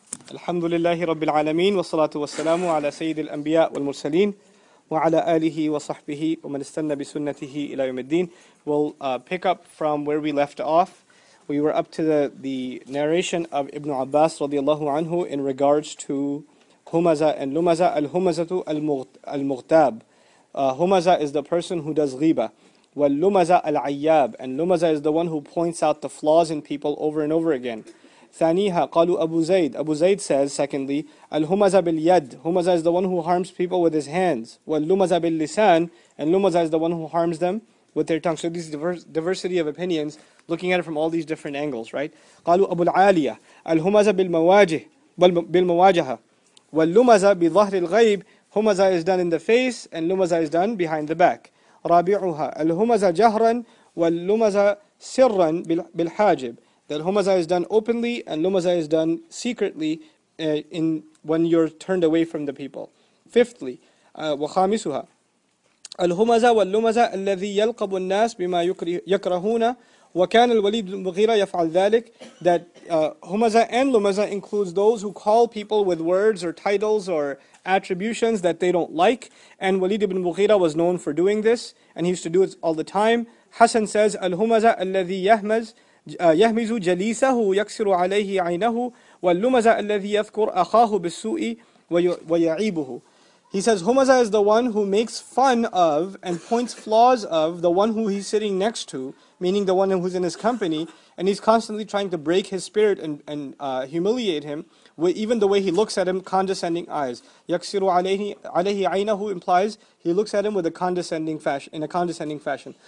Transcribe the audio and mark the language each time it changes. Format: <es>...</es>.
<ar>الحمد لله رب العالمين والصلاة والسلام على سيد الأنبياء والمرسلين وعلى آله وصحبه ومن استنى بسنته إلى يوم الدين.</ar> <en>We'll pick up from where we left off. We were up to the narration of Ibn Abbas</en> <ar>رضي الله عنه</ar> <en>in regards to Humazah and Lumazah.</en> <ar>الهمزه المغتاب.</ar> <en>Humazah is the person who does غيبة.</en> <ar>واللمزه العياب.</ar> <en>And Lumazah is the one who points out the flaws in people over and over again.</en> <ar>ثانيها قالوا أبو زيد.</ar> <en>Abu Zayd says, secondly,</en> <ar>الهمزه باليد.</ar> <en>Humazah is the one who harms people with his hands.</en> <ar>واللمزه باللسان.</ar> <en>And Lumazah is the one who harms them with their tongue. So this diversity of opinions, looking at it from all these different angles, right?</en> <ar>قالوا أبو العالية. الهمزه بالمواجه. بالمواجهة. واللمزه بظهر الغيب.</ar> <en>Humazah is done in the face, and lumazah is done behind the back.</en> <ar>رابعها الهمزه جهرا واللمزه سرا بالحاجب.</ar> <en>That humazah is done openly and lumazah is done secretly in when you're turned away from the people. Fifthly,</en> <ar>وخامسها الهمزه واللمزه الذي يلقب الناس بما يكرهون وكان الوليد المغيرة يفعل ذلك.</ar> <en>That humazah and lumazah includes those who call people with words or titles or attributions that they don't like. And Walid ibn Mughira was known for doing this, and he used to do it all the time. Hassan says,</en> <ar>الهمزه الذي يهمز يهمز جليسه يكسر عليه عينه واللمزه الذي يذكر أخاه بالسوء ويعيبه.</ar> <en>He says, humazah is the one who makes fun of and points flaws of the one who he's sitting next to, meaning the one who's in his company, and he's constantly trying to break his spirit and humiliate him, even the way he looks at him, condescending eyes.</en> <ar>يَكْسِرُ عَلَيْهِ عَيْنَهُ</ar> <en>implies he looks at him with a condescending fashion, in a condescending fashion.</en>